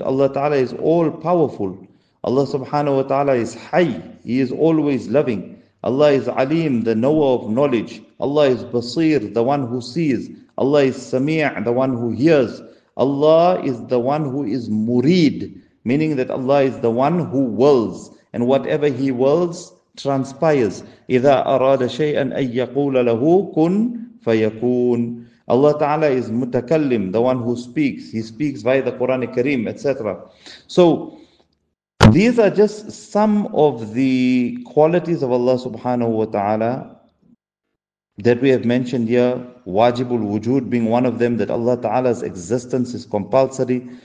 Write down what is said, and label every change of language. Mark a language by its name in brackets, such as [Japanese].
[English] Allah Ta'ala is all-powerful. Allah Subhanahu Wa Ta'ala is Hay, He is always loving. Allah is Alim, the knower of knowledge. Allah is Basir, the one who sees. Allah is Sami', the one who hears. Allah is the one who is Murid, meaning that Allah is the one who wills. And whatever He wills, transpires. [Arabic] إِذَا أَرَادَ شَيْئًا أَن يَقُولَ لَهُ كُنْ فَيَكُونَ. [English] Allah Ta'ala is Mutakallim, the one who speaks. He speaks via the Quran Kareem, etc. So, these are just some of the qualities of Allah Subhanahu Wa Ta'ala that we have mentioned here, wajibul wujud being one of them, that Allah Ta'ala's existence is compulsory